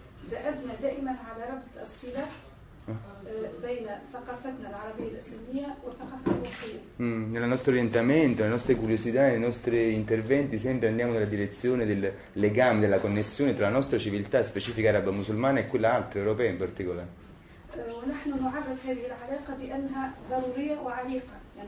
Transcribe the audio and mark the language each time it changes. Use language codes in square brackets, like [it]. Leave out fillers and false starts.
[ar] دأبنا دائما على ربط الصلة بين ثقافتنا العربية الإسلامية وثقافة الأوروبية. [it] Nel nostro orientamento, nelle nostre curiosità, nei nostri interventi sempre andiamo nella direzione del legame, della connessione tra la nostra civiltà specifica araba musulmana e quella altra europea in particolare. [ar] ونحن نعرف هذه العلاقة بأنها ضرورية وعميقة.